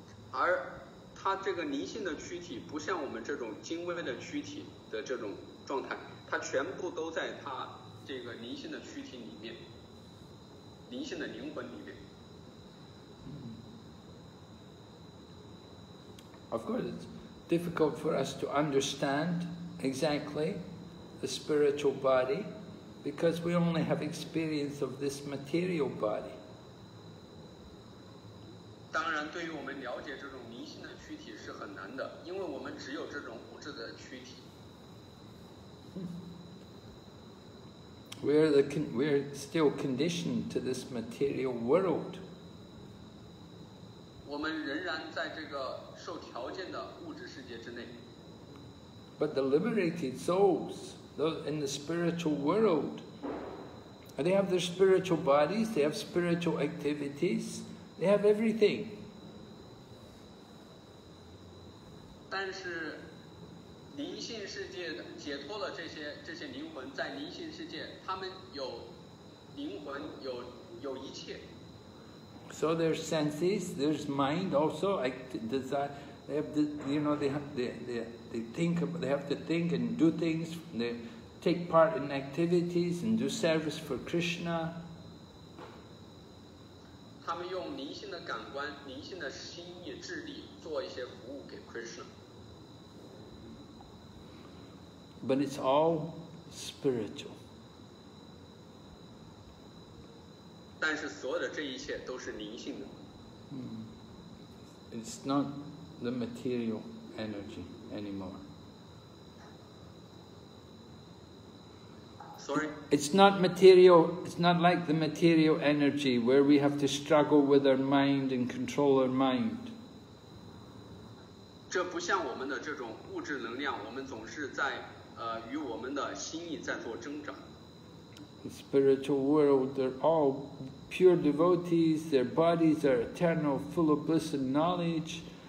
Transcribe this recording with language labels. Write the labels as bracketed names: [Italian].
[Chinese] 而它这个灵性的躯体不像我们这种精微的躯体的这种状态，它全部都在它这个灵性的躯体里面，灵性的灵魂里面。 [English] Of course, it's difficult for us to understand exactly the spiritual body because we only have experience of this material body. [Chinese] 当然，对于我们了解这种灵性的躯体是很难的，因为我们只有这种物质的躯体。 [English] We're still conditioned to this material world. [Chinese] 我们仍然在这个受条件的物质世界之内。 [English] But the liberated souls, those in the spiritual world, they have their spiritual bodies, they have spiritual activities. They have everything. [Chinese] 但是灵性世界解脱了这些灵魂，在灵性世界，他们有灵魂，有一切。 [English] So there's senses, there's mind also. They have to think and do things. They take part in activities and do service for Krishna. [Chinese] 他们用灵性的感官、灵性的心意、智力做一些服务给 Krishna。 [English] But it's all spiritual. [Chinese] 但是所有的这一切都是灵性的。 [English] It's not the material energy anymore. Sorry? It's not material, it's not like the material energy where we have to struggle with our mind and control our mind. [Chinese] 这不像我们的这种物质能量，我们总是在与我们的心意在做挣扎。 [English] The spiritual world, they're all pure devotees, their bodies are eternal, full of bliss and knowledge.